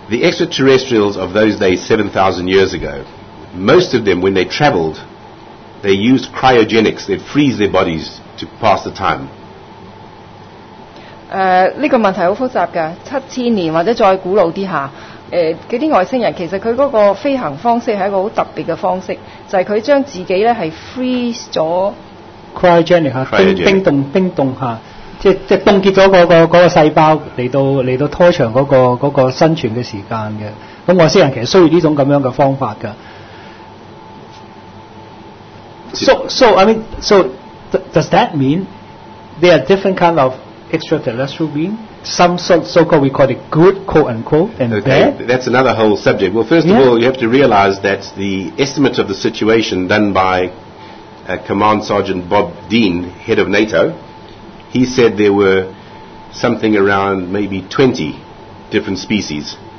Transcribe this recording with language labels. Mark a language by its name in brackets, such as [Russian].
[English] The extraterrestrials of those days, 7,000 years ago, most of them, when they travelled, they used cryogenics. They'd freeze their bodies to pass the time. [Chinese] 这个问题很复杂的，七千年或者再古老一下，那些外星人其实他那个飞行方式是一个很特别的方式，就是他将自己呢是 freeze 了 cryogenic 冰冻下，即冻结了那个细胞来到拖长那个生存的时间的，那外星人其实需要这种这样的方法的。 [English] So does that mean there are different kind ofextraterrestrial being, some so-called, we call it good, quote-unquote, and okay, bad? That's another whole subject. Well, first of all, you have to realize that the estimate of the situation done by Command Sergeant Bob Dean, head of NATO, he said there were something around maybe 20 different species.